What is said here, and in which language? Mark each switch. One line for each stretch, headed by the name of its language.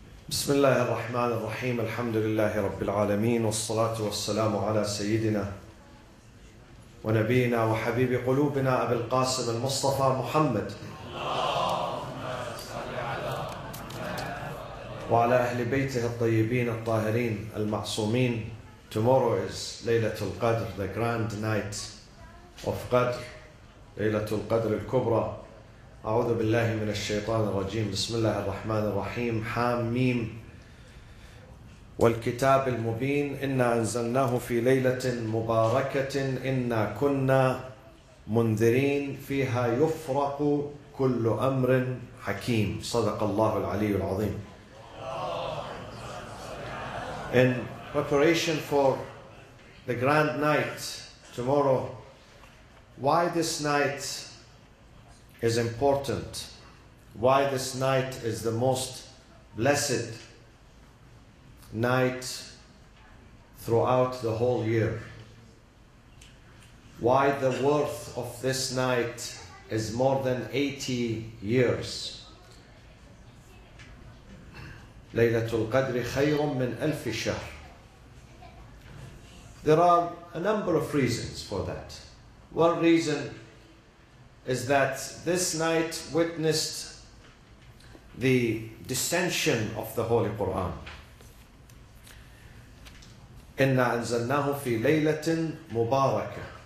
Arabic: بسم الله الرحمن الرحيم، الحمد لله رب العالمين، والصلاة والسلام على سيدنا ونبينا وحبيب قلوبنا أبي القاسم المصطفى محمد وعلى أهل بيته الطيبين الطاهرين المعصومين.
English: Tomorrow is ليلة القدر, the grand night of قدر,
Arabic: ليلة القدر الكبرى. أعوذ بالله من الشيطان الرجيم. بسم الله الرحمن الرحيم. حم ميم. والكتاب المبين إنا أنزلناه في ليلة مباركة إنا كنا منذرين فيها يفرق كل أمر حكيم. صدق الله العلي العظيم.
English: In preparation for the grand night tomorrow, why this night is important, why this night is the most blessed night throughout the whole year, why the worth of this night is more than 80 years.
Arabic: ليلة القدر خير من ألف شهر.
English: There are a number of reasons for that. One reason is that this night witnessed the descension of the Holy Quran.
Arabic: إِنَّا أَنزَلْنَاهُ فِي لَيْلَةٍ مُبَارَكَةٍ.